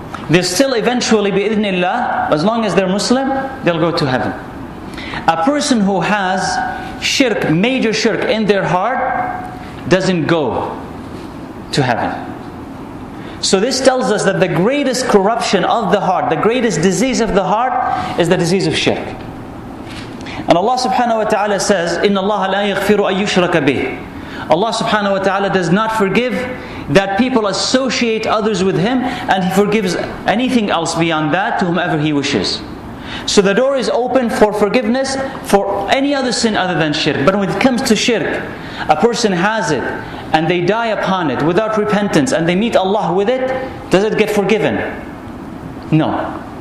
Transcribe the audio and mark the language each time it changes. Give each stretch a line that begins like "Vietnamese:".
English: they're still eventually
Arabic: بإذن الله,
English: as long as they're Muslim, they'll go to heaven. A person who has shirk, major shirk in their heart, doesn't go to heaven. So this tells us that the greatest corruption of the heart, the greatest disease of the heart, is the disease of shirk. And Allah subhanahu wa ta'ala says,
Arabic: إِنَّ اللَّهَ لَا يَغْفِرُ أَن يُشْرَكَ بِهِ.
English: Allah subhanahu wa ta'ala does not forgive that people associate others with Him, and He forgives anything else beyond that to whomever He wishes. So the door is open for forgiveness for any other sin other than shirk. But when it comes to shirk, a person has it and they die upon it without repentance and they meet Allah with it, does it get forgiven? No.